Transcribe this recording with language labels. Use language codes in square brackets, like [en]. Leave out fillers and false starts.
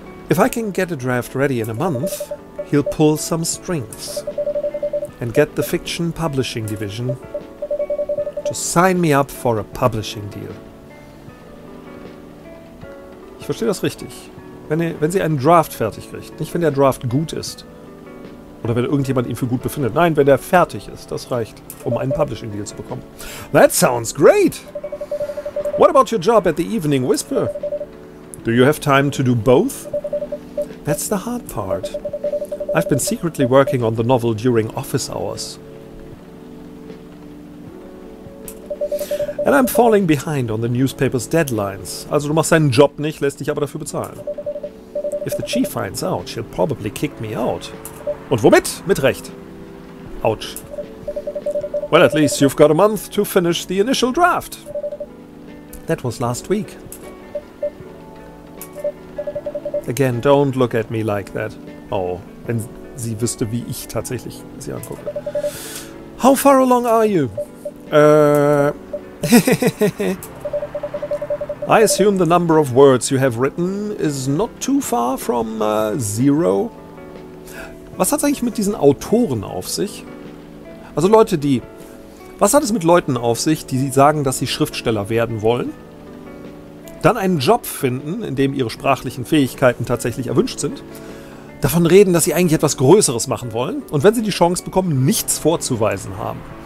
[en] If I can get a draft ready in a month, he'll pull some strings and get the fiction publishing division to sign me up for a publishing deal. [de] Ich verstehe das richtig. Wenn sie einen Draft fertig kriegt, nicht wenn der Draft gut ist oder wenn irgendjemand ihn für gut befindet. Nein, wenn er fertig ist, das reicht, um einen Publishing Deal zu bekommen. [en] That sounds great! What about your job at the Evening Whisper? Do you have time to do both? That's the hard part. I've been secretly working on the novel during office hours. And I'm falling behind on the newspaper's deadlines. [de] Also du machst deinen Job nicht, lässt dich aber dafür bezahlen. [en] If the chief finds out, she'll probably kick me out. [de] Und womit? Mit Recht. [en] Ouch. Well, at least you've got a month to finish the initial draft. That was last week. Again, don't look at me like that. [de] Oh, wenn sie wüsste, wie ich tatsächlich sie angucke. [en] How far along are you? I assume the number of words you have written is not too far from zero. [de] Was hat es eigentlich mit diesen Autoren auf sich? Also Leute, die... Was hat es mit Leuten auf sich, die sagen, dass sie Schriftsteller werden wollen? Dann einen Job finden, in dem ihre sprachlichen Fähigkeiten tatsächlich erwünscht sind? Davon reden, dass sie eigentlich etwas Größeres machen wollen? Und wenn sie die Chance bekommen, nichts vorzuweisen haben?